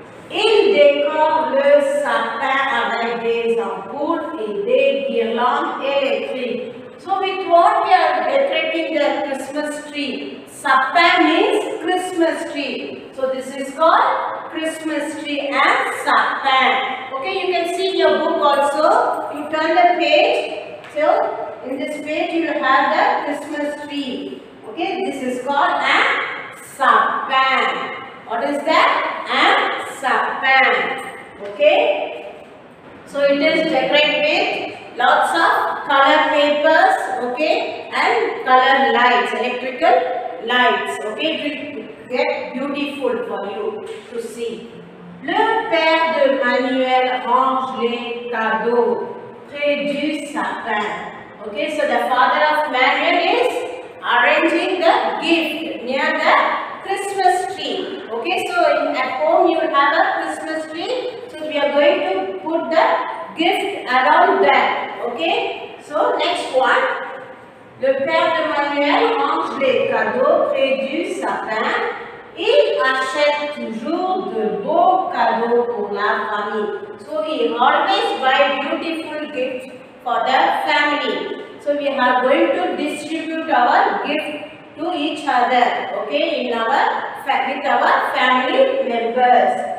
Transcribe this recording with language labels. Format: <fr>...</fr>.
<fr>Il décore le sapin avec des ampoules et des guirlandes électriques.</fr> <en>So with what we are decorating the Christmas tree? Sapin means Christmas tree. So this is called Christmas tree and sapin. Okay, you can see in your book also. You turn the page. So in this page you will have the Christmas tree. Okay, this is called a sapin. What is that? A sapin. Okay. So it is decorated with lots of color papers, okay, and color lights, electrical lights, okay, it will get beautiful for you to see.</en> <fr>Le père de Manuel range les cadeaux près du sapin.</fr> <en>Okay, so the father of Manuel is arranging the gift near the Christmas tree. Okay, so at home you will have a Christmas tree, so we are going to put the gift around that. Okay, so next one.</en> <fr>Le père de Manuel range les cadeaux près du sapin. Il achète toujours de beaux cadeaux pour la famille.</fr> <en>So he always buys beautiful gifts for the family. So we are going to distribute our gift to each other, okay, in our with our family members.</en>